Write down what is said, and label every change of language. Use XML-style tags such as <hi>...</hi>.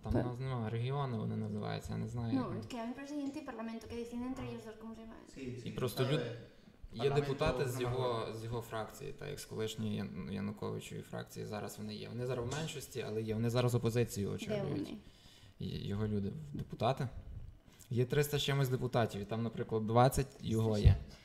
<uk>Там у нас немає регіону, вони називаються, я не знаю.</uk> <es>Ну, que hay un presidente y parlamento que decide entre ellos dos cómo se llama.</es> <uk>І просто є депутати з його фракції, так як з колишньої Януковичої фракції, зараз вони є. Вони зараз в меншості, але є. Вони зараз опозицію очолюють. Його люди, депутати. Є 300 чимось депутатів, і там, наприклад, 20 його є.</uk>